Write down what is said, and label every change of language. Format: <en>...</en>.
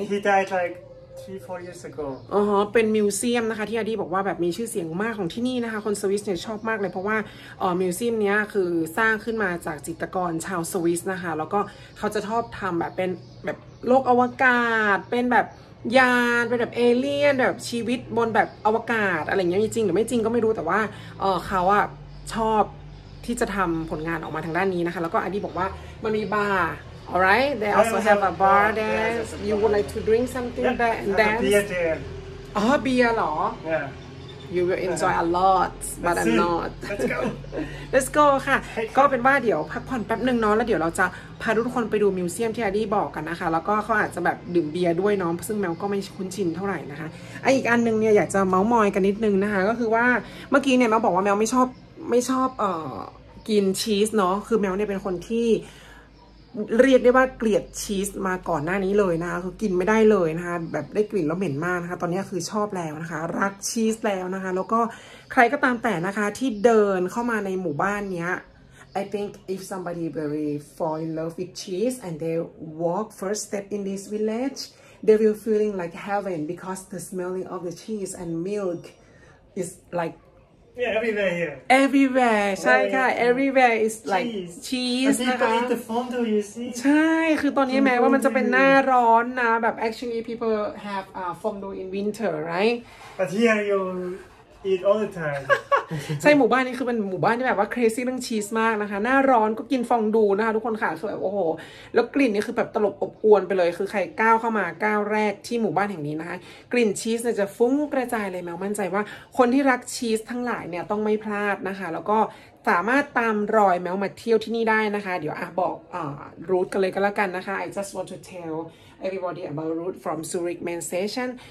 <en>he died like 3-4 years ago อ๋อ</en> <th>เป็นมิวเซียมนะคะที่อาดีบอกว่าแบบมีชื่อเสียงมากของที่นี่นะคะคนสวิสเนี่ยชอบมากเลยเพราะว่ามิวเซียมเนี้ยคือสร้างขึ้นมาจากจิตรกรชาวสวิสนะคะแล้วก็เขาจะชอบทำแบบเป็นแบบโลกอวกาศเป็นแบบยานเป็นแบบเอเลี่ยนแบบชีวิตบนแบบอวกาศอะไรเงี้ยจริงหรือไม่จริงก็ไม่รู้แต่ว่าเขาอะชอบที่จะทำผลงานออกมาทางด้านนี้นะคะแล้วก็อาดีบอกว่ามันมีบาร์</th> <en>All right. They also have a bar there. You would like to drink something there and dance? Yeah, beer there. Oh, beer, lor. Yeah. You will enjoy a lot, but I'm not. Let's go.</en> <th>Let's go, ค่ะก็เป็นว่าเดี๋ยวพักผ่อนแป๊บนึงเนาะแล้วเดี๋ยวเราจะพาทุกคนไปดูมิวเซียมที่อาร์ดี้บอกกันนะคะแล้วก็เขาอาจจะแบบดื่มเบียร์ด้วยเนาะซึ่งแมวก็ไม่คุ้นชินเท่าไหร่นะคะไออีกอันนึงเนี่ยอยากจะเมามอยกันนิดนึงนะคะก็คือว่าเมื่อกี้เนี่ยแมวบอกว่าแมวไม่ชอบกินชีสเนาะคือแมวเนี่ยเป็นคนที่ เรียกได้ว่าเกลียดชีสมาก่อนหน้านี้เลยนะคะคือกินไม่ได้เลยนะคะแบบได้กลิ่นแล้วเหม็นมากนะคะตอนนี้คือชอบแล้วนะคะรักชีสแล้วนะคะแล้วก็ใครก็ตามแต่นะคะที่เดินเข้ามาในหมู่บ้านเนี้ย</th> <en>I think if somebody very fall in love with cheese and they walk first step in this village they will feeling like heaven because the smelling of the cheese and milk is like yeah, everywhere here. Everywhere, ใช่ค่ะ everywhere is like cheese นะคะ People eat the fondue, you see.</en> <th>ใช่คือตอนนี้แม้ว่ามันจะเป็นหน้าร้อนนะแบบ</th> <en>actually people have fondue in winter, right? But here you eat all the time.</en> <th>ใช่หมู่บ้านนี้คือเป็นหมู่บ้านที่แบบว่า crazy เรื่องชีสมากนะคะหน้าร้อนก็กินฟองดูนะคะทุกคนค่ะสวยโอ้โหแล้วกลิ่นนี่คือแบบตลบอบอวลไปเลยคือใครก้าวเข้ามาก้าวแรกที่หมู่บ้านแห่งนี้นะคะกลิ่นชีสเนี่ยจะฟุ้งกระจายเลยแมวมั่นใจว่าคนที่รักชีสทั้งหลายเนี่ยต้องไม่พลาดนะคะแล้วก็สามารถตามรอยแมวมาเที่ยวที่นี่ได้นะคะเดี๋ยวบอกรูทกันเลยก็แล้วกันนะคะ</th> <en>I just want to tell everybody about route from Zurich main station</en>